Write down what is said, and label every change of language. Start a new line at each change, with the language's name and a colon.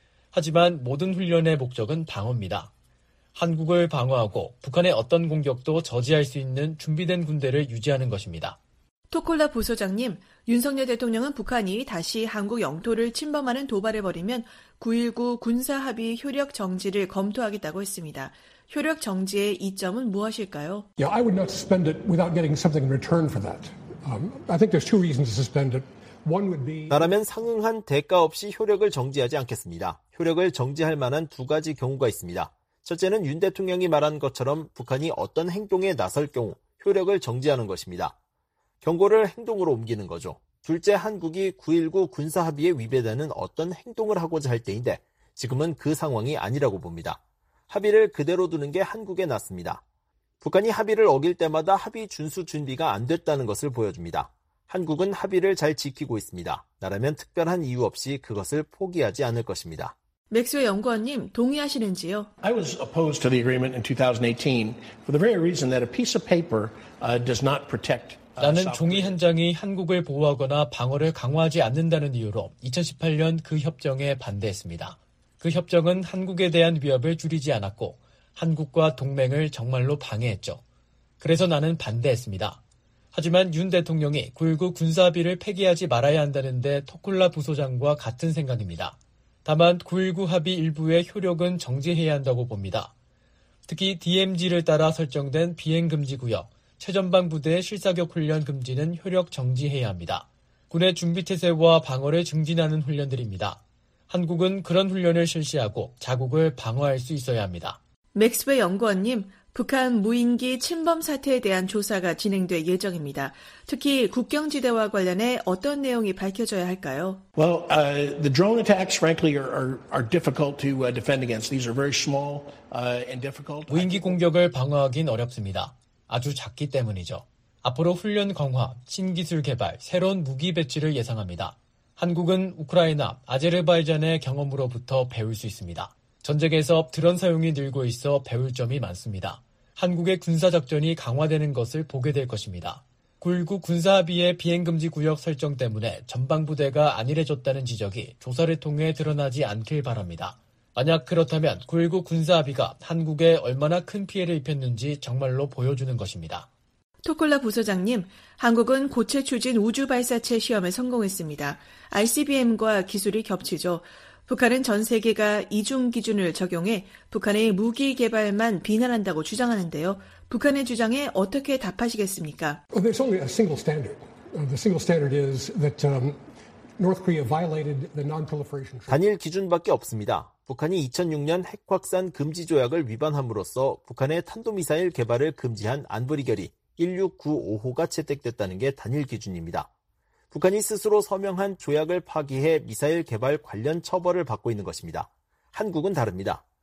Korean: 하지만 모든 훈련의 목적은 방어입니다. 한국을 방어하고 북한의 어떤 공격도 저지할 수 있는 준비된 군대를 유지하는 것입니다. 토콜라 부소장님, 윤석열 대통령은 북한이 다시 한국 영토를 침범하는 도발을 벌이면 9.19 군사합의 효력 정지를 검토하겠다고 했습니다. 효력 정지의 이점은 무엇일까요?
English: Yeah, I would not suspend it without getting something in return for that. I think there's two reasons to suspend it. One would be
Korean: 나라면 상응한 대가 없이 효력을 정지하지 않겠습니다. 효력을 정지할 만한 두 가지 경우가 있습니다. 첫째는 윤 대통령이 말한 것처럼 북한이 어떤 행동에 나설 경우 효력을 정지하는 것입니다. 경고를 행동으로 옮기는 거죠. 둘째, 한국이 9.19 군사합의에 위배되는 어떤 행동을 하고자 할 때인데 지금은 그 상황이 아니라고 봅니다. 합의를 그대로 두는 게 한국에 낫습니다. 북한이 합의를 어길 때마다 합의 준수 준비가 안 됐다는 것을 보여줍니다. 한국은 합의를 잘 지키고 있습니다. 나라면 특별한 이유 없이 그것을 포기하지 않을 것입니다. 맥스웰 연구원님, 동의하시는지요?
English: I was opposed to the agreement in 2018 for the very reason that a piece of paper does not protect
Korean: 나는 종이 한 장이 한국을 보호하거나 방어를 강화하지 않는다는 이유로 2018년 그 협정에 반대했습니다. 그 협정은 한국에 대한 위협을 줄이지 않았고 한국과 동맹을 정말로 방해했죠. 그래서 나는 반대했습니다. 하지만 윤 대통령이 9.19 군사비를 폐기하지 말아야 한다는데 토콜라 부소장과 같은 생각입니다. 다만 9.19 합의 일부의 효력은 정지해야 한다고 봅니다. 특히 DMZ를 따라 설정된 비행금지구역, 최전방부대의 실사격 훈련 금지는 효력 정지해야 합니다. 군의 준비태세와 방어를 증진하는 훈련들입니다. 한국은 그런 훈련을 실시하고 자국을 방어할 수 있어야 합니다. 맥스웨 연구원님, 북한 무인기 침범 사태에 대한 조사가 진행될 예정입니다. 특히 국경지대와 관련해 어떤 내용이 밝혀져야 할까요?
English: Well, the drone attacks, frankly, are difficult to defend against. These are very small and difficult.
Korean: 무인기 공격을 방어하긴 어렵습니다. 아주 작기 때문이죠. 앞으로 훈련 강화, 신기술 개발, 새로운 무기 배치를 예상합니다. 한국은 우크라이나, 아제르바이잔의 경험으로부터 배울 수 있습니다. 전쟁에서 드론 사용이 늘고 있어 배울 점이 많습니다. 한국의 군사작전이 강화되는 것을 보게 될 것입니다. 9.19 군사합의의 비행금지 구역 설정 때문에 전방부대가 안일해졌다는 지적이 조사를 통해 드러나지 않길 바랍니다. 만약 그렇다면 9.19 군사합의가 한국에 얼마나 큰 피해를 입혔는지 정말로 보여주는 것입니다. 토콜라 부소장님, 한국은 고체 추진 우주 발사체 시험에 성공했습니다. ICBM과 기술이 겹치죠. 북한은 전 세계가 이중 기준을 적용해 북한의 무기 개발만 비난한다고 주장하는데요. 북한의 주장에 어떻게 답하시겠습니까?
English: Well, there's only a single standard. The single standard is that North Korea violated the non-proliferation.
Korean: 단일 기준밖에 없습니다. 북한이 2006년 핵확산 금지 조약을 위반함으로써 북한의 탄도미사일 개발을 금지한 안보리결의 1695호가 채택됐다는 게 단일 기준입니다. 북한이 스스로 서명한 조약을 파기해 미사일 개발 관련 처벌을 받고 있는 것입니다. 한국은 다릅니다.